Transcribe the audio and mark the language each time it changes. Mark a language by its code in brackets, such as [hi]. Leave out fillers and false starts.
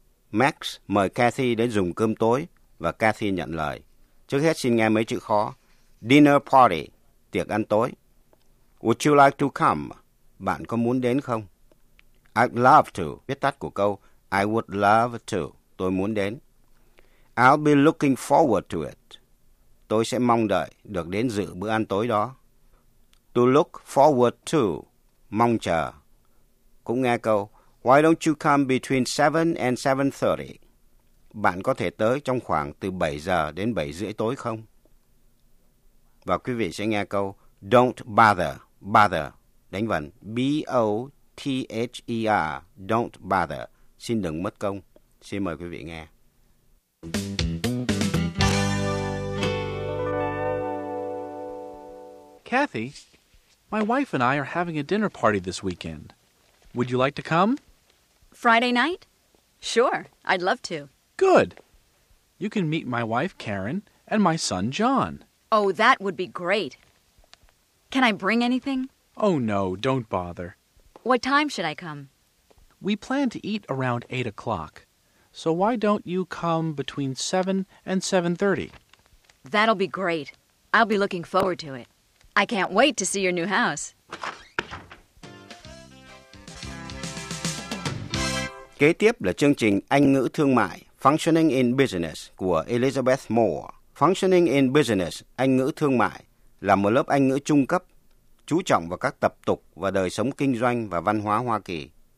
[vi] Max mời Kathy đến dùng cơm tối và Kathy nhận lời. Trước hết xin nghe mấy chữ khó. Dinner Party, tiệc ăn tối. [en] Would you like to come? [vi] Bạn có muốn đến không? [en] I'd love to, [vi] viết tắt của câu [en] I would love to, [vi] tôi muốn đến. [en] I'll be looking forward to it. [vi] Tôi sẽ mong đợi được đến dự bữa ăn tối đó. [en] To look forward to, [vi] mong chờ. Cũng nghe câu, [en] why don't you come between 7 and 7:30? [vi] Bạn có thể tới trong khoảng từ 7 giờ đến 7 rưỡi tối không? Và quý vị sẽ nghe câu, [en] don't bother, bother. [vi] Đánh vần, [en] B-O-T-H-E-R, don't bother. [vi] Xin đừng mất công. Xin mời quý vị nghe. [en] Kathy, my wife and I are having a dinner party this weekend. Would you like to come? Friday night? Sure, I'd love to. Good. You can meet my wife, Karen, and my son, John. Oh, that would be great. Can I bring anything? Oh, no, don't bother. What time should I come? We plan to eat around 8 o'clock. So why don't you come between 7 and 7:30? That'll be great. I'll be looking forward to it. I can't wait to see your new house. [vi] Kế tiếp là chương trình Anh ngữ thương mại, Functioning in Business của Elizabeth Moore. Functioning in Business, Anh ngữ thương mại, là một lớp Anh ngữ trung cấp, chú trọng vào các tập tục và đời sống kinh doanh và văn hóa Hoa Kỳ.